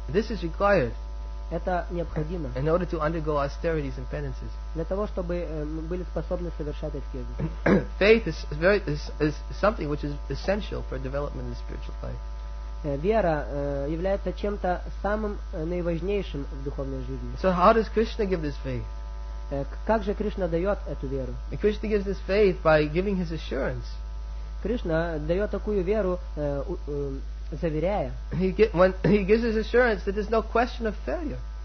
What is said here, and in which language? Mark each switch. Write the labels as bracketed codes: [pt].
[en] This is required. [ru] Это необходимо. [en] In order to undergo austerities and penances. [ru] Для того, чтобы мы были способны совершать аскезы. [en] Faith is something which is essential for development in spiritual life. [ru] вера является чем-то самым наиважнейшим в духовной жизни. [en] So how does Krishna give this faith? [ru] Как же Кришна дает эту веру? [en] And Krishna gives this faith by giving his assurance. [ru] Кришна дает такую веру, заверяя. [en] He gives his assurance that there's no question of failure.